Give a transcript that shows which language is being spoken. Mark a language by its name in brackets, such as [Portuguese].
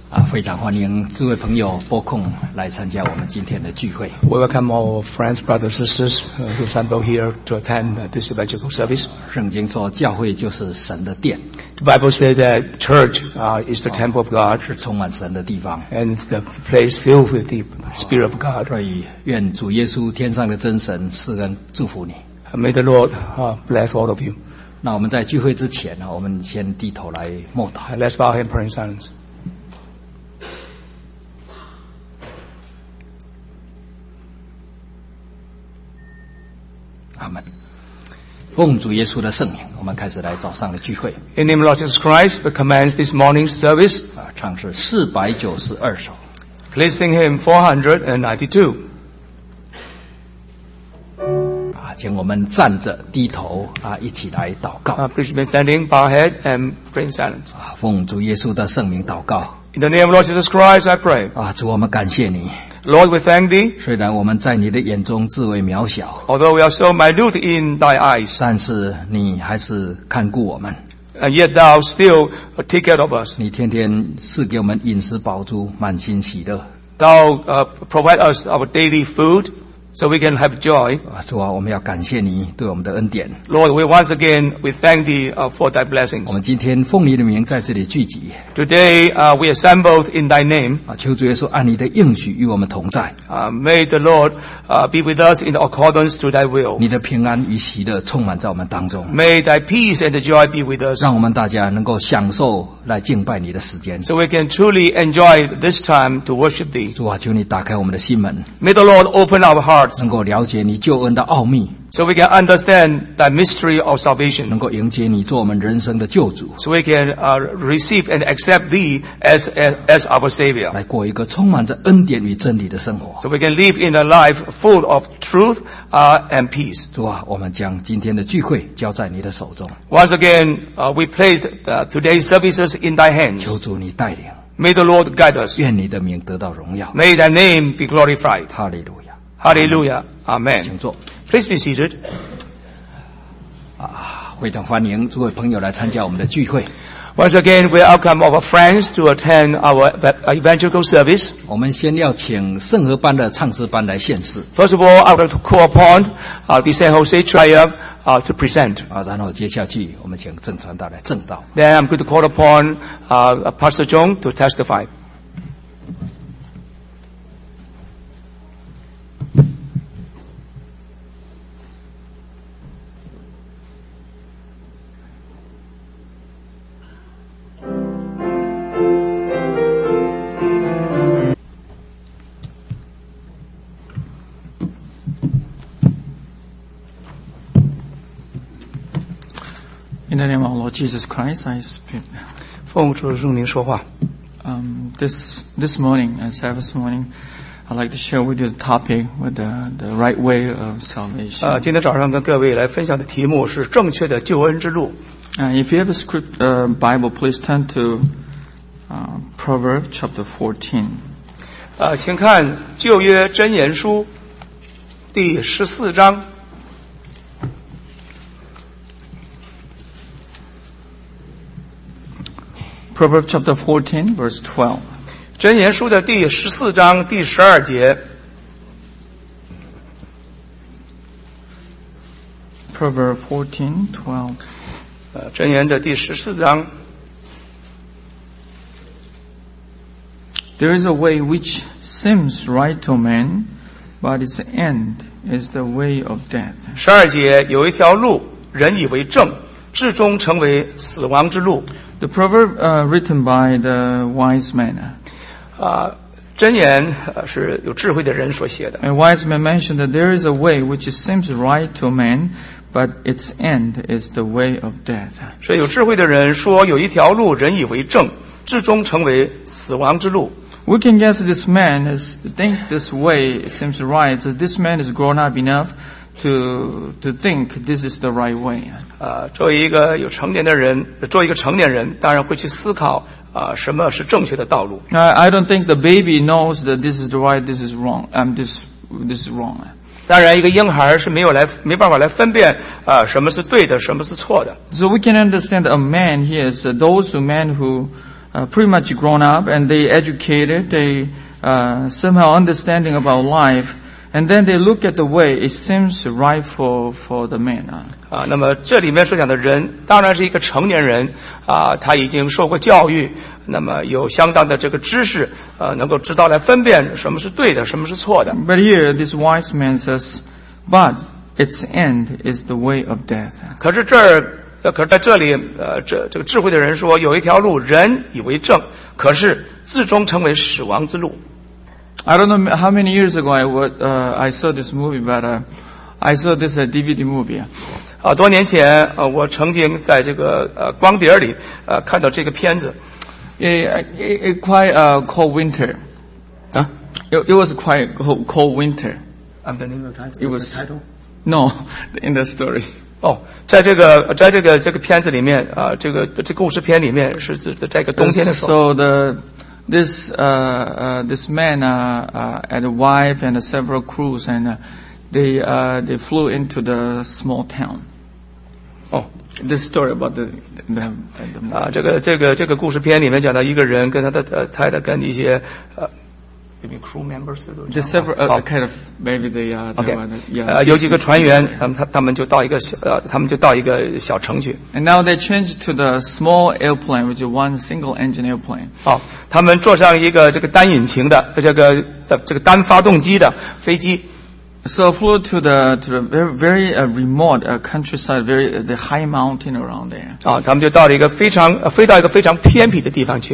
[Chinese] 非常欢迎诸位朋友拨空来参加我们今天的聚会。 [English] We welcome all friends, brothers, sisters, who assemble here to attend this evangelical service. [Chinese] 圣经说教会就是神的殿。 [English] The Bible says that church, is the temple of God. [Chinese] 是充满神的地方。 [English] And the place filled with the Spirit of God. [Chinese] 所以愿主耶稣天上的真神赐恩祝福你。 [English] May the Lord, bless all of you. [Chinese] 那我们在聚会之前呢，我们先低头来默祷。 [English] Let's bow and pray in silence. [Chinese] 奉主耶稣的圣名，我们开始来早上的聚会。 [English] In name of Lord Jesus Christ, we commence this morning's service. [Chinese] 唱是492首。 [English] Please sing hymn 492. [Chinese] 请我们站着低头一起来祷告。 [English] Please be standing, bow head and pray in silence. [Chinese] 奉主耶稣的圣名祷告。 [English] In the name of Lord Jesus Christ, I pray. [Chinese] 主，我们感谢你。 [English] Lord, we thank thee. [Chinese] 虽然我们在你的眼中自为渺小。 [English] Although we are so minute in thy eyes. [Chinese] 但是你还是看顾我们。 [English] And yet thou still take care of us. [Chinese] 你天天赐给我们饮食饱足，满心喜乐。 [English] Thou provide us our daily food so we can have joy. [Chinese] 主啊，我们要感谢你对我们的恩典。 [English] Lord, we once again, we thank thee for thy blessings. [Chinese] 我们今天奉你的名在这里聚集。 [English] Today, we assembled in thy name. [Chinese] 求主耶稣按你的应许与我们同在。 [English] May the Lord, be with us in accordance to thy will. [Chinese] 你的平安与喜乐充满在我们当中。 [English] May thy peace and joy be with us. [Chinese] 让我们大家能够享受来敬拜你的时间。 [English] So we can truly enjoy this time to worship thee. [Chinese] 主啊，求你打开我们的心门。 [English] May the Lord open our hearts. [Chinese] 能够了解你救恩的奥秘。 [English] So we can understand that mystery of salvation. [Chinese] 能够迎接你做我们人生的救主。 [English] So we can receive and accept thee as our savior. [Chinese] 来过一个充满着恩典与真理的生活。 [English] So we can live in a life full of truth, and peace. [Chinese] 主啊，我们将今天的聚会交在你的手中。 [English] Once again, we placed today's services in thy hands. [Chinese] 求主你带领。 [English] May the Lord guide us. [Chinese] 愿你的名得到荣耀。 [English] May thy name be glorified. Hallelujah. Hallelujah. Amen. [Chinese] 请坐。 [English] Please be seated. [Chinese] 非常欢迎诸位朋友来参加我们的聚会。 [English] Once again, we welcome our friends to attend our evangelical service. [Chinese] 我们先要请圣和班的唱诗班来献诗。 [English] First of all, I would like to call upon the San Jose Triumph to present. [Chinese] 然后接下去我们请郑传道来证道。 [English] Then I'm going to call upon Pastor John to testify. In the name of Lord Jesus Christ, I speak. [Chinese] 奉主的圣灵说话。 [English] This morning, as Sabbath morning, I'd like to share with you the topic with the right way of salvation. [Chinese] 今天早上跟各位来分享的题目是正确的救恩之路。 [English] If you have a script, Bible, please turn to Proverbs chapter 14. [Chinese] 请看旧约箴言书第十四章。 [English] Proverbs chapter 14, verse 12. [Chinese] 箴言书的第十四章第十二节。 [English] Proverbs 14, 12. [Chinese] 箴言的第十四章。 [English] There is a way which seems right to man, but its end is the way of death. [Chinese] 十二节，有一条路，人以为正，至终成为死亡之路。 [English] The proverb written by the wise man. [Chinese] 箴言是有智慧的人所写的。 [English] A wise man mentioned that there is a way which seems right to man, but its end is the way of death. [Chinese] 所以有智慧的人说有一条路人以为正，至终成为死亡之路。 [English] We can guess this man is think this way seems right. So this man is grown up enough. To think this is the right way. [Chinese] 作为一个有成年的人，作为一个成年人，当然会去思考什么是正确的道路。 [English] I don't think the baby knows that this is the right, this is wrong. This is wrong. [Chinese] 当然，一个婴孩是没办法来分辨什么是对的，什么是错的。 [English] So we can understand a man here is those men who pretty much grown up, and they educated, they somehow understanding about life, and then they look at the way it seems right for the man. [Chinese] 那么这里面所讲的人当然是一个成年人他已经受过教育，那么有相当的这个知识能够知道来分辨什么是对的，什么是错的。 [English] But here this wise man says, but its end is the way of death. [Chinese] 可是在这里这个智慧的人说，有一条路人以为正，可是最终成为死亡之路。 [English] I don't know how many years ago I saw this movie, but I saw this DVD movie. [Chinese] 多年前我曾经在这个光碟里看到这个片子。 [English] It quite cold winter. It was quite cold winter. The name of the title? No, in the story. [Chinese] 在这个片子里面这故事片里面是在一个冬天的时候。 [English] So this man and a wife and several crews and they flew into the small town. This story about the [Chinese] 这个故事片里面讲到一个人跟他的太太跟一些 [English] you mean crew members the several kind of maybe they are [Chinese] okay有几个船员他们就到一个小城去 [English] and now they change to the small airplane which is one single engine airplane [Chinese] 他们坐上一个这个单引擎的这个单发动机的飞机。 [English] So flew to the very, very remote countryside, very the high mountain around there. [Chinese] 他们就到了一个非常飞到一个非常偏僻的地方去。